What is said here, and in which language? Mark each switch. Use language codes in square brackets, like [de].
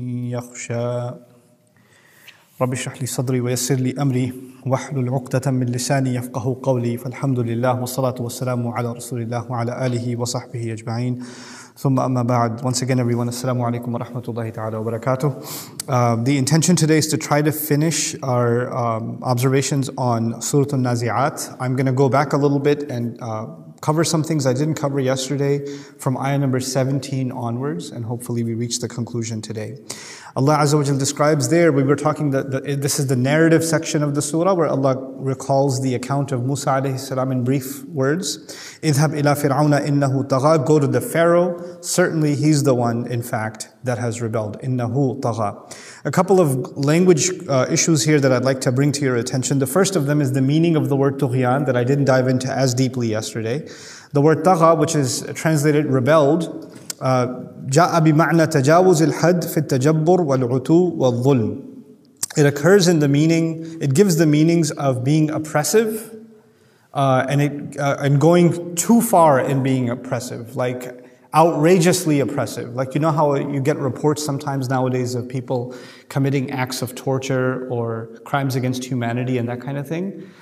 [ar] يخشى رب اشرح لي صدري ويسر لي أمري واحلل عقدة من لساني يفقه قولي فالحمد لله والصلاة والسلام على رسول الله وعلى آله وصحبه أجمعين ثم أما بعد. [en] Once again everyone, assalamu alaikum wa rahmatullahi ta'ala wa barakatuh. The intention today is to try to finish our observations on Surah An-Nazi'at. I'm going to go back a little bit and cover some things I didn't cover yesterday from ayah number 17 onwards, and hopefully we reach the conclusion today. Allah Azza wa Jal describes there, we were talking that this is the narrative section of the surah where Allah recalls the account of Musa alayhi salam in brief words. [ar] اِذْهَبْ إِلَىٰ فِرْعَوْنَ إِنَّهُ طَغَىٰ. [en] Go to the Pharaoh. Certainly he's the one, in fact, that has rebelled. [ar] إِنَّهُ طَغَىٰ. [en] A couple of language issues here that I'd like to bring to your attention. The first of them is the meaning of the word tughyan that I didn't dive into as deeply yesterday. The word طَغَىٰ, which is translated rebelled, [ar] جَاءَ بِمَعْنَى تَجَاوُزِ الْحَدْ فِي التَّجَبُّرِ وَالْعُتُو وَالظُّلْمِ. [en] It occurs in the meaning, it gives the meanings of being oppressive and going too far in being oppressive, like outrageously oppressive. Like, you know how you get reports sometimes nowadays of people committing acts of torture or crimes against humanity and that kind of thing?